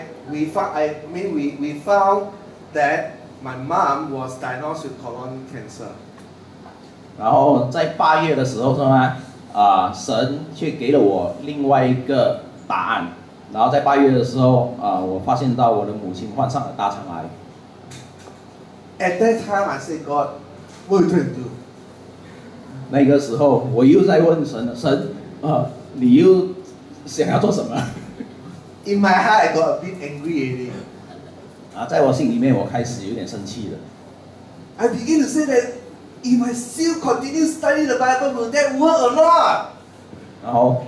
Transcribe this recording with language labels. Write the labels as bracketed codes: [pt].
[en] We found that my mom was diagnosed with colon cancer. [zh] 然后在八月的时候是吗？神却给了我另外一个答案。然后在八月的时候，我发现到我的母亲患上了大肠癌。 [en] At that time, I said, God, what do I do? [zh] 那个时候，我又在问神，你又想要做什么 [en] ？In my heart, I got a bit angry already. [zh] 在我心里面，我开始有点生气了。 [en] I begin to say that if I still continue study the Bible, will that work or not?